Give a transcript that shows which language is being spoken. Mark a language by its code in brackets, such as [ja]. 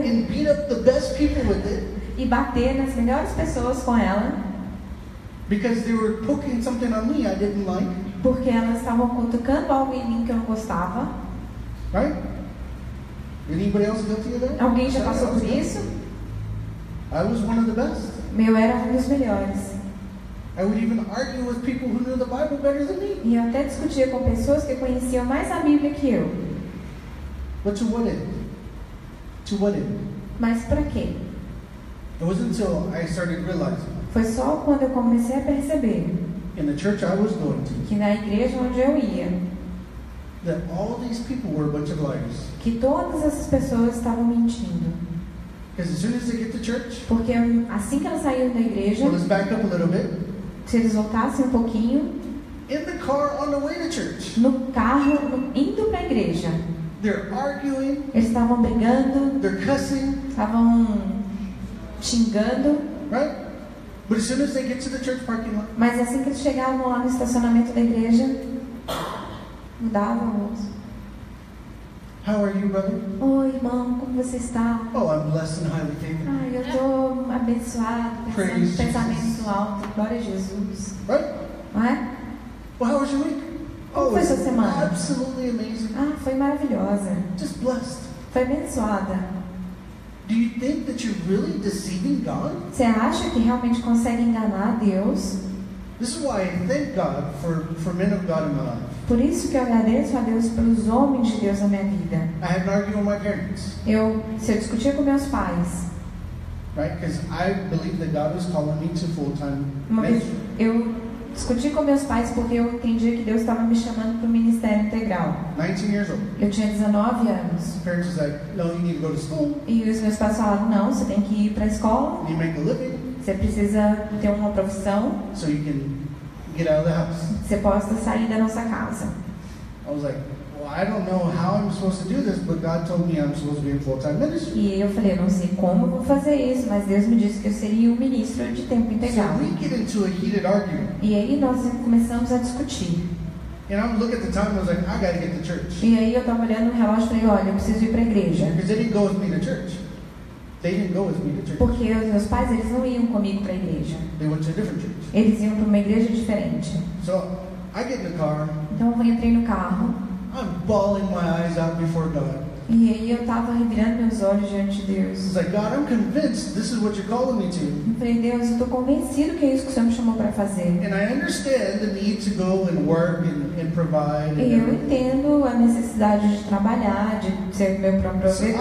[en] And beat up the best people with it. [pt] E bater nas melhores pessoas com ela. [en] Because they were poking something on me I didn't like. [pt] Porque elas estavam cutucando algo em mim que eu não gostava. [en] Right? Anybody else guilty of that? [pt] Alguém já passou por isso? [en] I was one of the best. [pt] Meu era um dos melhores. [en] I would even argue with people who knew the Bible better than me. [pt] E eu até discutia com pessoas que conheciam mais a Bíblia que eu. [en] But to what end? To what end? [pt] Mas para quê? [en] It wasn't until I started realizing. [pt] Foi só quando eu comecei a perceber. [en] In the church I was going to. [pt] Que na igreja onde eu ia. [en] That all these people were a bunch of liars. [pt] Que todas essas pessoas estavam mentindo. [en] Because as soon as they get to church. [pt] Porque assim que elas saíram da igreja. [en] Well, let's back up a little bit. [pt] Se eles voltassem um pouquinho. [en] In the car on the way to church. [pt] No carro indo para a igreja. [en] They're arguing. [pt] Eles estavam brigando. [en] They're cussing. [pt] Estavam xingando. [en] Right? But as soon as they get to the church parking lot. [pt] Mas assim que eles chegavam lá no estacionamento da igreja. Mudavam. [en] How are you, brother? [pt] Oi, irmão, como você está? [en] Oh, I'm blessed and highly favored. [pt] Ai, eu tô abençoado, pensando em pensamento alto. Glória a Jesus. [en] Right? [pt] Não é? [en] Well, how was your week? [pt] Como foi sua semana? [en] Absolutely amazing. [pt] Ah, foi maravilhosa. [en] Just blessed. [pt] Foi abençoada. [en] Do you think that you're really deceiving God? [pt] Você acha que realmente consegue enganar Deus? [en] This is why I thank God for men of God in my life. [pt] Por isso que eu agradeço a Deus pelos homens de Deus na minha vida. [en] I had an argument with my parents. [pt] Se eu discutia com meus pais. [en] Right? Because I believe that God was calling me to full-time ministry. [pt] Eu discuti com meus pais porque eu entendi que Deus estava me chamando para o ministério integral. [en] 19 years old. [pt] Eu tinha 19 anos. [en] My parents was like, no, you need to go to school. [pt] E os meus pais falaram, não, você tem que ir para a escola. [en] You make a living. [pt] Você precisa ter uma profissão. [en] So you can get out of the house. [pt] Você possa sair da nossa casa. [en] I was like, well, I don't know how I'm supposed to do this, but God told me I'm supposed to be in full-time ministry. [pt] E eu falei, eu não sei como eu vou fazer isso, mas Deus me disse que eu seria um ministro de tempo integral. [en] So we get into a heated argument. [pt] E aí nós começamos a discutir. [en] And I'm looking at the time, I was like, I gotta get to church. [pt] E aí eu tava olhando o relógio e falei, olha, eu preciso ir para a igreja. [en] Because they didn't go with me to church. They didn't go with me to church. [pt] Porque os meus pais, eles não iam comigo para a igreja. [en] They went to a different church. [pt] Eles iam para uma igreja diferente. [en] So, I get in the car. [pt] Então eu entrei no carro. [en] I'm bawling my eyes out before God. [pt] E aí eu estava revirando meus olhos diante de Deus. [en] I was like, God, I'm convinced this is what you're calling me to. [pt] Eu falei, Deus, eu estou convencido que é isso que o Senhor me chamou para fazer. [en] And I understand the need to go and work and provide. [pt] E eu entendo a necessidade de trabalhar, de ser meu próprio provedor.